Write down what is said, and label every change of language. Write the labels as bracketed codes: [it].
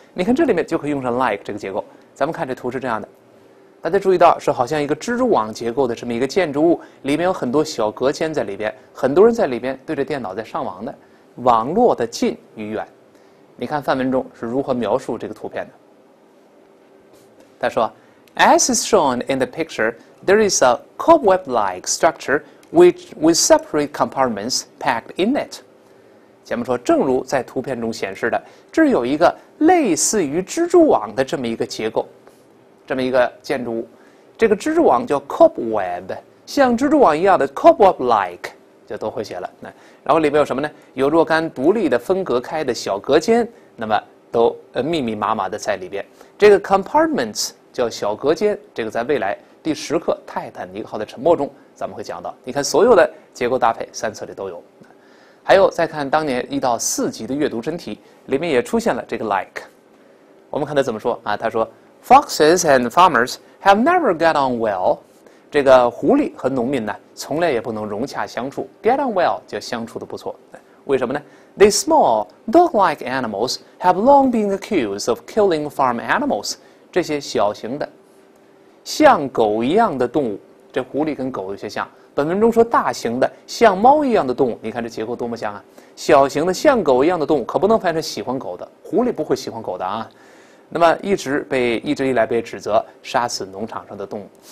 [zh] 你看这里面就可以用上 like 这个结构。咱们看这图是这样的。大家注意到，是好像一个蜘蛛网结构的这么一个建筑物，里面有很多小隔间在里边，很多人在里边对着电脑在上网的，网络的近与远。你看范文中是如何描述这个图片的？他说 [en] ，As is shown in the picture, there is a cobweb-like structure which with separate compartments packed in it。 [zh] 前面说，正如在图片中显示的，这有一个类似于蜘蛛网的这么一个结构。这么一个建筑物，这个蜘蛛网叫 cobweb， 像蜘蛛网一样的 cobweb-like 就都会写了。那然后里面有什么呢？有若干独立的分隔开的小隔间，那么都密密麻麻的在里边。这个 compartments 叫小隔间，这个在未来第十课《泰坦尼克号的沉没》中咱们会讲到。你看所有的结构搭配，三册里都有。还有再看当年1到4级的阅读真题，里面也出现了这个 like。我们看他怎么说啊？他说。 [en] Foxes and farmers have never got on well. [zh] 这个狐狸和农民呢，从来也不能融洽相处。 [en] Get on well [zh] 就相处的不错。为什么呢 [en] ？These small dog-like animals have long been accused of killing farm animals. [zh] 这些小型的像狗一样的动物，这狐狸跟狗有些像。本文中说大型的像猫一样的动物，你看这结构多么像啊！小型的像狗一样的动物可不能翻译成喜欢狗的，狐狸不会喜欢狗的啊。那么一直以来被指责杀死农场上的动物。